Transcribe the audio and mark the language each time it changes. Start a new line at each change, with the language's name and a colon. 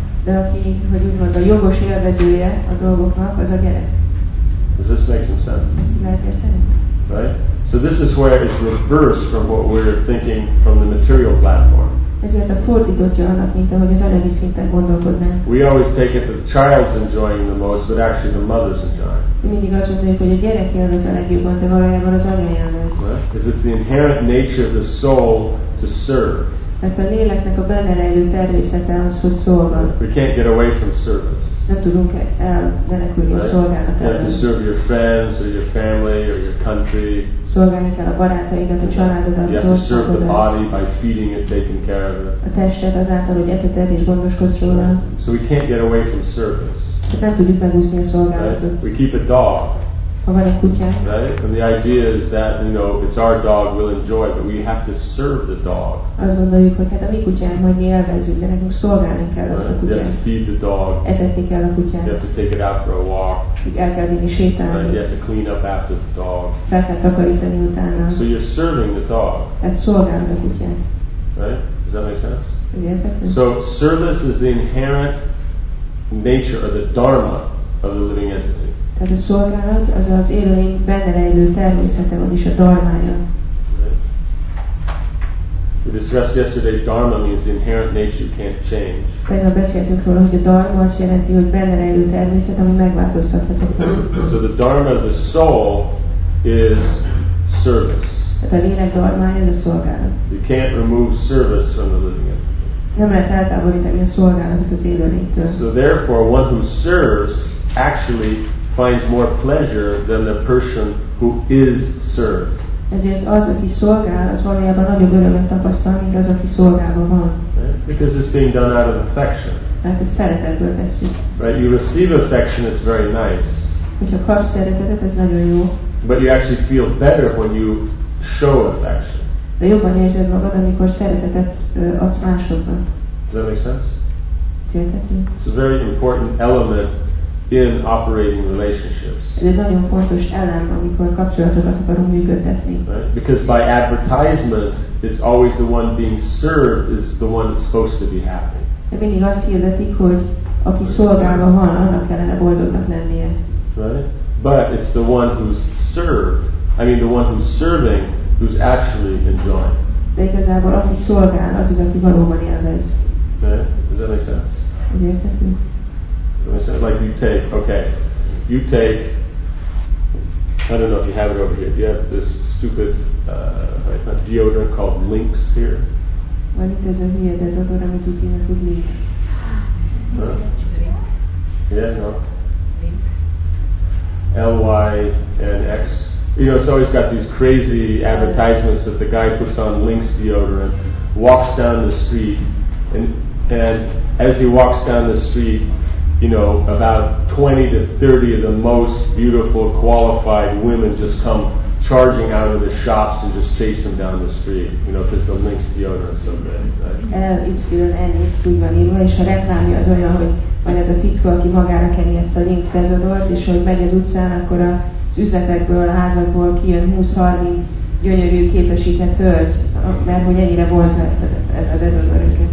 Hungarian: De aki, hogy úgy mondja, a jogos élvezője a dolgoknak, az a gyerek.
English: Does this make some sense?
Hungarian: Ezt lehet érteni?
English: Right? So this is where it's reversed from what we're thinking from the material platform.
Hungarian: Ezért a fordítottja annak, mint ahogy az anyagi szinten gondolkodnánk.
English: We always take it that the child's enjoying the most, but actually the mother's enjoying.
Hungarian: Mi mindig azt mondjuk, hogy a gyerek élvez a legjobban, de valójában az anya élvez.
English: Because it's the inherent nature of the soul to serve.
Hungarian: Mert a léleknek a benne rejlő természete az, hogy szolgál.
English: We can't get away from service.
Hungarian: Nem tudunk elmenekülni a szolgálat ellen.
English: You have to serve your friends or your family or your country.
Hungarian: Szolgálni kell a barátaidat, a családodat, az országodat.
English: You have to serve the body by feeding it, taking care of it.
Hungarian: A tested azáltal, hogy eteted és gondoskodsz róla.
English: So we can't get away from service.
Hungarian: Nem tudjuk megúszni a szolgálatot.
English: We keep a dog.
Hungarian: ha van egy kutyánk.
English: Right? And the idea is that, you know, if it's our dog, we'll enjoy it, but we have to serve the dog.
Hungarian: Azt gondoljuk, hogy hát a mi kutyánk, majd mi élvezzük, de nekünk szolgálni kell azt a kutyát.
English: You have to feed the dog.
Hungarian: Etetni kell a kutyát.
English: You have to take it out for a walk.
Hungarian: El kell vinni sétálni.
English: You have to clean up after the dog.
Hungarian: Fel kell takarítani utána.
English: So you're serving the dog.
Hungarian: Hát szolgálod a kutyát.
English: Right? Does that make sense?
Hungarian: Értettem.
English: So service is the inherent nature of the dharma of the living entity.
Hungarian: Tehát a szolgálat az az élőlény benne rejlő természete, vagyis a dharmája.
English: We discussed yesterday dharma means the inherent nature you can't change.
Hungarian: Tegnap beszéltünk róla, hogy a dharma azt jelenti, hogy benne rejlő természet, ami megváltoztathatatlan.
English: So the dharma of the soul is service.
Hungarian: Tehát a lélek dharmája az a szolgálat.
English: You can't remove service from the living entity.
Hungarian: Nem lehet eltávolítani a szolgálatot az élőlénytől.
English: So therefore, one who serves actually finds more pleasure than the person who is served.
Hungarian: Ezért az, aki szolgál, az valójában nagyobb örömet tapasztal, mint az, aki szolgálva van.
English: Because it's being done out of affection.
Hungarian: Mert ezt szeretetből tesszük.
English: Right? You receive affection, it's very nice.
Hungarian: Hogyha kapsz szeretetet, ez nagyon jó.
English: But you actually feel better when you show affection.
Hungarian: De jobban érzed magad, amikor szeretetet adsz másoknak.
English: Does that make sense?
Hungarian: Szerintem.
English: It's a very important element in operating relationships.
Hungarian: Ez egy nagyon fontos elem, amikor kapcsolatokat akarunk működtetni.
English: Right? Because by advertisement, it's always the one being served is the one that's supposed to be happy.
Hungarian: De mindig azt hirdetik, hogy aki szolgálva van, annak kellene boldognak lennie.
English: Right? But it's the one who's served, I mean the one who's serving, who's actually enjoying.
Hungarian: De igazából aki szolgál, az is, aki valóban élvez.
English: Does that make sense? Like you take, okay, you take, I don't know if you have it over here, do you have this stupid deodorant called Lynx here?
Hungarian: Van itt ez a hülyed, ez a dolog, amit úgy kéne tudni.
English: Yeah, no. Lynx. You know, it's always got these crazy advertisements that the guy puts on Lynx deodorant, walks down the street, and as he walks down the street, you know, about 20 to 30 of the most beautiful, qualified women just come charging out of the shops and just chase him down the street, you know, because the Lynx deodorant is so good.
Hungarian: LYNX, úgy van írva, és a reklámja az olyan, hogy van ez a fickó, aki magára keni ezt a Lynx dezodort, és hogy megy az utcán, akkor az üzletekből, a házakból kijön 20-30 gyönyörű kézesített hölgy, mert hogy ennyire vonzza ezt a dezodort.